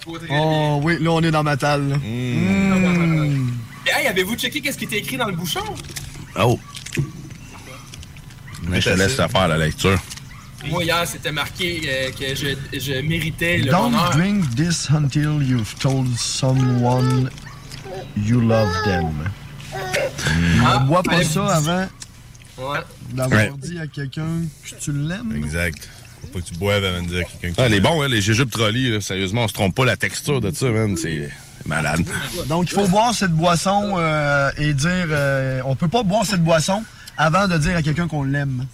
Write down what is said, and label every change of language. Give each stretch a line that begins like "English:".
French: Oh, oui, là, on est dans ma table. Hey, avez-vous checké qu'est-ce qui était écrit dans le bouchon? Oh! Mais je te laisse faire la lecture. Moi, hier, c'était marqué que je méritais le
English: Don't
French: bonheur.
English: Don't drink this until you've told someone you love them.
French: Ne bois pas ça avant d'avoir dit à quelqu'un que tu l'aimes. Exact. Faut pas que tu boives avant de dire à quelqu'un que tu l'aimes. Elle est bon, les jujubes trolley, là, sérieusement, on se trompe pas la texture de ça, man. C'est malade. Donc, il faut boire cette boisson et dire... on peut pas boire cette boisson avant de dire à quelqu'un qu'on l'aime.